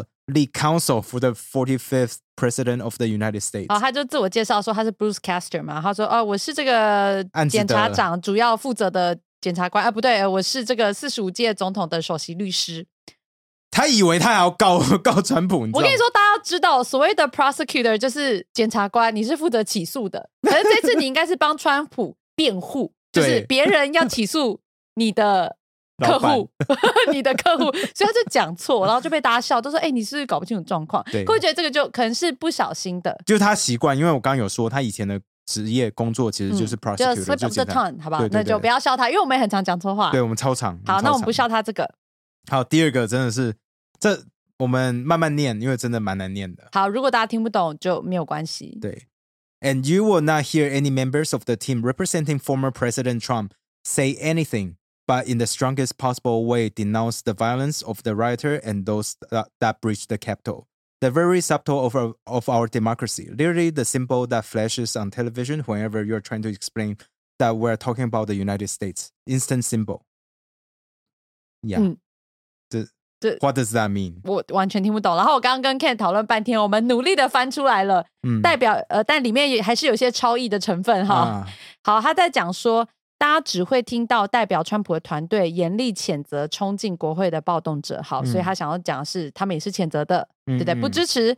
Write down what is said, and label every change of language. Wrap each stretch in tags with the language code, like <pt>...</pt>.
<en>the counsel for the 45th President of the United States.</en> <zh>哦，他就自我介绍说他是 Bruce Castor 嘛，他说哦，我是这个检察长主要负责的检察官，啊，不对，我是这个45届总统的首席律师。他以为他还要告川普，我跟你说，大家知道所谓的 prosecutor 就是检察官，你是负责起诉的，可是这次你应该是帮川普辩护，就是别人要起诉你的客户，你的客户，所以他就讲错，然后就被大家笑，都说：“哎，你是不是搞不清楚状况？” 会觉得这个就可能是不小心的，就是他习惯，因为我刚刚有说他以前的职业工作其实就是 prosecutor，就</zh> <en>slip of the tongue，</en> <zh>好不好？对对对，那就不要笑他，因为我们也很常讲错话，对，我们超常。好，那我们不笑他这个。好，第二个真的是这，我们慢慢念，因为真的蛮难念的。好，如果大家听不懂就没有关系。</zh> <en>对 ，And you will not hear any members of the team representing former President Trump say anything but in the strongest possible way denounce the violence of the rioter and those that breached the Capitol. The very subtle of our democracy, literally the symbol that flashes on television whenever you're trying to explain that we're talking about the United States, instant symbol. Yeah. What does that mean?</en> <zh>我完全听不懂，然后我刚刚跟 Ken 讨论半天，我们努力的翻出来了，嗯，代表但里面也还是有些超意的成分哈，啊。好，他在讲说大家只会听到代表川普的团队严厉谴责冲进国会的暴动者，好，嗯，所以他想要讲的是他们也是谴责的，嗯，对不对，不支持，</zh>